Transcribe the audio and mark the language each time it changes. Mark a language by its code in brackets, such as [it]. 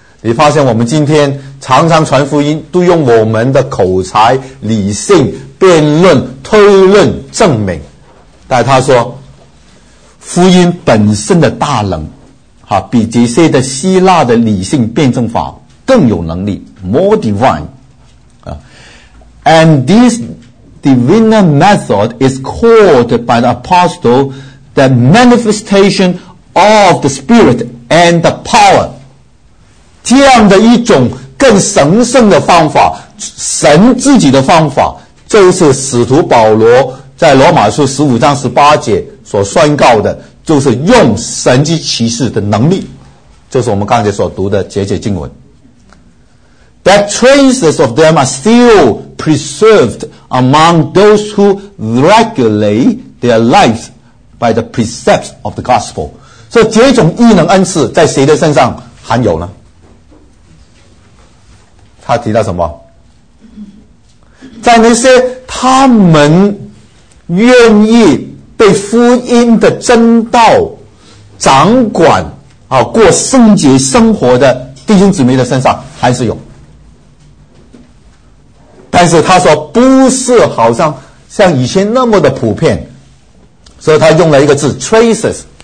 [zh] 你发现我们今天常常传福音都用我们的口才理性辩论推论证明，但他说福音本身的大能，啊，比这些的希腊的理性辩证法更有能力， [en] more divine。 And this divine method is called by the apostle the manifestation of the spirit and the power。 [zh] 这样的一种更神圣的方法，神自己的方法，就是使徒保罗在罗马书十五章十八节所宣告的，就是用神迹奇事的能力，就是我们刚才所读的节节经文。 [en] That traces of them are still preserved among those who regulate their lives by the precepts of the gospel。 [zh] 所以这种异能恩赐在谁的身上含有呢？他提到什么？在那些他们愿意被福音的真道掌管，啊，过圣洁生活的弟兄姊妹的身上还是有，但是他说不是好像以前那么的普遍，所以他用了一个字 traces，